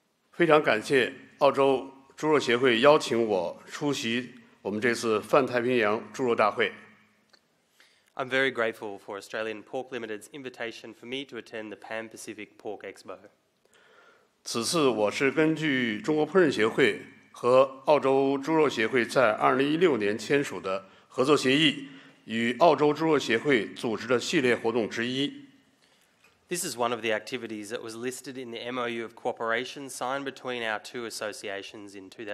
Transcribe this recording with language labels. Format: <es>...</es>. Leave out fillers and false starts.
<zh>非常感谢澳洲猪肉协会邀请我出席我们这次泛太平洋猪肉大会。</zh> <en>I'm very grateful for Australian Pork Limited's invitation for me to attend the Pan-Pacific Pork Expo.</en> <zh>此次我是根据中国烹饪协会和澳洲猪肉协会在2016年签署的合作协议</zh> <en>This is one of the activities that was listed in the MOU of cooperation signed between our two associations in</en>